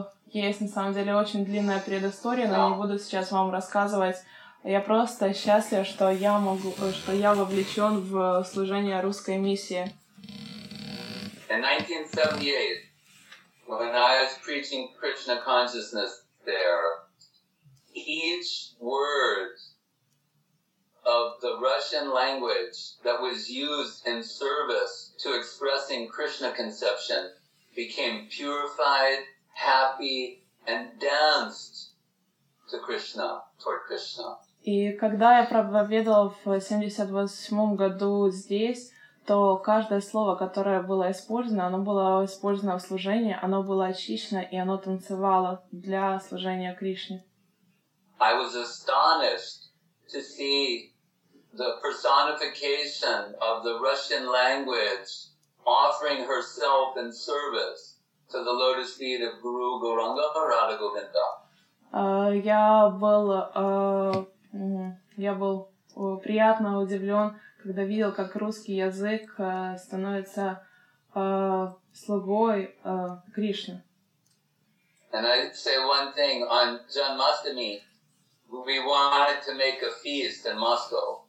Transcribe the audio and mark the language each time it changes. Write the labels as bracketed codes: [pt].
[ru] Есть, на самом деле, очень длинная предыстория, но не буду сейчас вам рассказывать. Я просто счастлив, что я могу, что я вовлечен в служение русской миссии. [en] In 1978, when I was preaching Krishna consciousness there, each word of the Russian language that was used in service to expressing Krishna conception became purified, happy, and danced to Krishna, toward Krishna. [ru] И когда я проповедовал в 78 году здесь, то каждое слово, которое было использовано, оно было использовано в служении, оно было очищено, и оно танцевало для служения Кришне. [en] I was astonished to see the personification of the Russian language offering herself in service to the lotus feet of Guru Gauranga Radha Govinda. [ru] Я был приятно удивлен, когда видел, как русский язык становится слугой Кришны. [en] And I say one thing on Janmashtami. We wanted to make a feast in Moscow.